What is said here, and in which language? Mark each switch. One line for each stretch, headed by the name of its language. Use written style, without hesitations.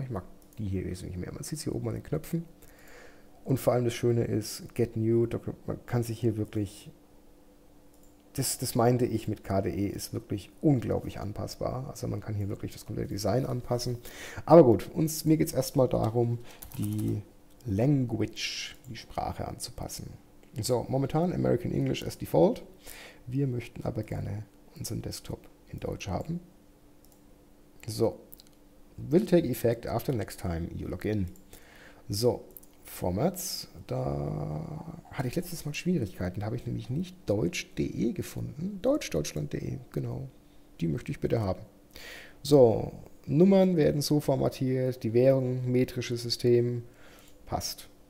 German: Ich mag die hier wesentlich mehr. Man sieht es hier oben an den Knöpfen. Und vor allem das Schöne ist, Get New, man kann sich hier wirklich Das meinte ich mit KDE, ist wirklich unglaublich anpassbar. Also man kann hier wirklich das komplette Design anpassen. Aber gut, mir geht es erstmal darum, die Language, die Sprache anzupassen.
English: So,
German: momentan
English: American English as Default.
German: Wir möchten aber gerne unseren Desktop in Deutsch haben.
English: So, will take effect after next time you log in.
German: So, Formats, da hatte ich letztes Mal Schwierigkeiten. Da habe ich nämlich nicht deutsch.de gefunden. Deutschdeutschland.de, genau. Die möchte ich bitte haben. So, Nummern werden so formatiert, die Währung, metrisches System, passt.